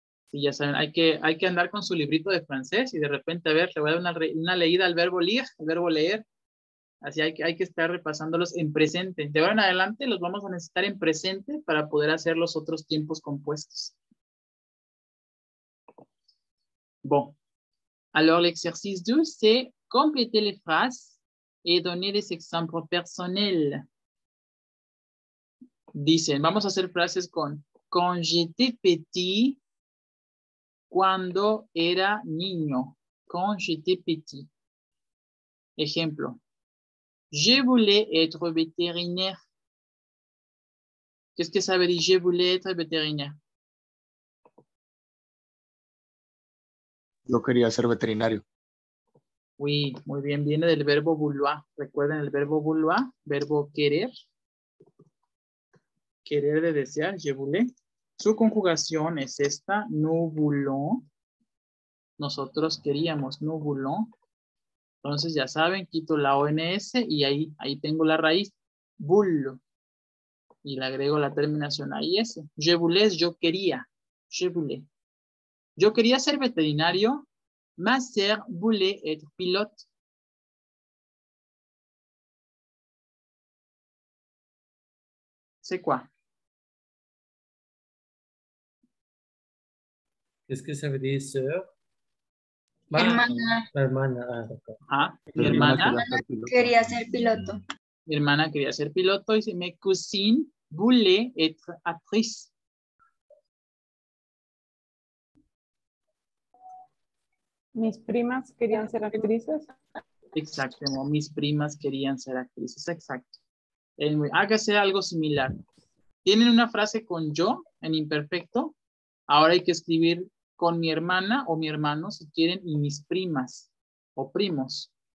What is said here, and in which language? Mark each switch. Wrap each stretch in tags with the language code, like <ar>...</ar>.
<es>Sí, ya saben, hay que andar con su librito de francés y de repente, a ver, le voy a dar una leída al verbo lire, al verbo leer. Así hay que estar repasándolos en presente. De ahora en adelante los vamos a necesitar en presente para poder hacer los otros tiempos compuestos.</es> <fr>Bon. Alors, l'exercice 2, c'est compléter les phrases et donner des exemples personnels.</fr> <es>Dicen, vamos a hacer frases con</es> <fr>quand j'étais petit,</fr> <es>cuando era niño.</es> <fr>Quand j'étais petit.</fr> <es>Ejemplo.</es> <fr>Je voulais être vétérinaire. Qu'est-ce que ça veut dire? Je voulais être vétérinaire.</fr> <es>Yo quería ser veterinario. Oui, muy bien. Viene del verbo vouloir. Recuerden el verbo vouloir, verbo querer. Querer de desear,</es> <fr>je voulais.</fr> <es>Su conjugación es esta,</es> <fr>nous voulons.</fr> <es>Nosotros queríamos, nous voulons. Entonces ya saben, quito la ONS y ahí tengo la raíz, voulo. Y le agrego la terminación AIS.</es> <fr>Je voulais,</fr> <es>yo quería. Je voulais. Yo quería ser veterinario.</es> <fr>Ma sœur voulait être pilote. C'est quoi? Qu'est-ce que ça veut dire, sœur?</fr> <es>Ma hermana. Ma hermana. Ah, mi hermana. Mi hermana quería ser piloto. Mi hermana quería ser piloto. Dice, mi</es> <fr>cousine voulait être actrice.</fr> <es>Mis primas querían ser actrices. Exacto, mis primas querían ser actrices, exacto. Hágase algo similar. ¿Tienen una frase con yo en imperfecto? Ahora hay que escribir con mi hermana o mi hermano, si quieren, y mis primas o primos.</es>